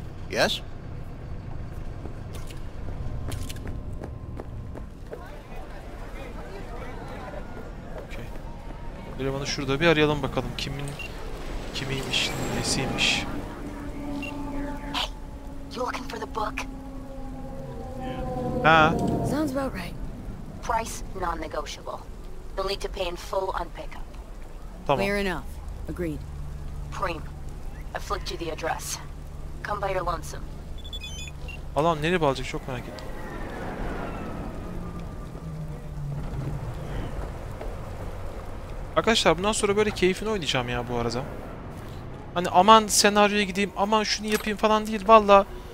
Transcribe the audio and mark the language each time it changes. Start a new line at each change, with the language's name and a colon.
English: Yes? Okay.
Turkish: Elemanı şurada bir arayalım bakalım. Kimin... Kimiymiş, nesiymiş?
English: Hey, you looking for the book? Ha. Sounds about right. Price non-negotiable. You'll need to pay in full on pickup.
Turkish: Tamam.
English: Clear enough. Agreed. Prime. I flipped you the address. Come by your lonesome.
Turkish: Allah'ım nereye bağlayacak, çok merak ettim. Arkadaşlar bundan sonra böyle keyfini oynayacağım ya bu arada. Hani aman senaryoya gideyim, aman şunu yapayım falan değil valla.